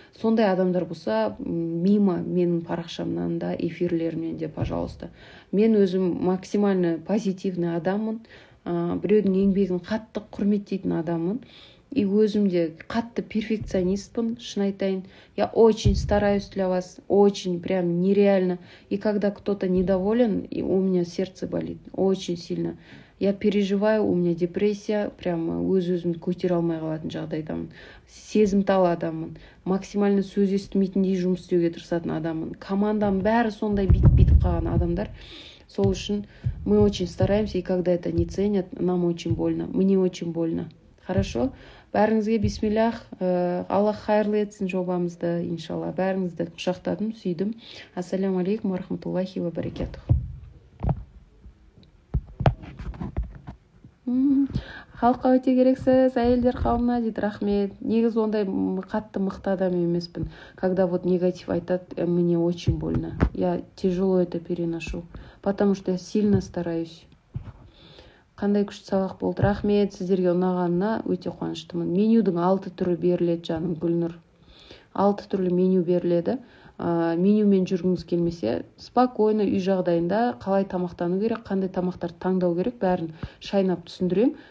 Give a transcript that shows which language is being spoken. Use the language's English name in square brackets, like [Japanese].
[Kazakh] Сондай адамдар болса, мимо менің парақшамнан да, эфирлерімнен де, [Russian] пожалуйста. [Kazakh] Мен өзім максимально позитивный адаммын, біреудің еңбегін қатты құрметтейтін адаммын. И өзімде қатты перфекционистпын, шын айтайын. [Russian] Я очень стараюсь для вас, очень, прям нереально. И когда кто-то недоволен, и у меня сердце болит очень сильно. Я переживаю, у меня депрессия, прям [Kazakh] өз-өзімді көтер алмай қалатын жағдайдамын. Сезімтал адаммын, максимально сөз естімейтіндей жұмыс істеуге тырысатын адаммын. Командам бәрі сондай бит-бит қалған адамдар. Сол үшін [Russian] мы очень стараемся, и когда это не ценят, нам очень больно, мне очень больно. Хорошо. [Kazakh] Бәріңізге бисмиллях. Аллах хайырлы етсін жобамызды, иншалла. Бәріңізді құшақтадым, сүйдім. [Arabic] Ассаляму алейкум, рахматуллахи ва баракатух. [Kazakh] Халыққа өте керексіз, әйелдер қауымына дейді, рахмет. Негіз ондай қатты мықты адам емеспін. [Russian] Когда вот негатив айтады, мне очень больно. Я тяжело это переношу. Потому что я сильно стараюсь. [Kazakh] Қандай күшті сабақ болды. Рахмет, сіздерге ұнағанына өте қуаныштымын. Менюдің 6 түрі беріледі, жаным Гүлнұр. 6 түрлі меню беріледі. Менюмен жүргіңіз келмесе, [Russian] спокойно [Kazakh] үй жағдайында қалай тамақтану керек, қандай тамақтарды таңдау керек, бәрін шайнап түсіндірем.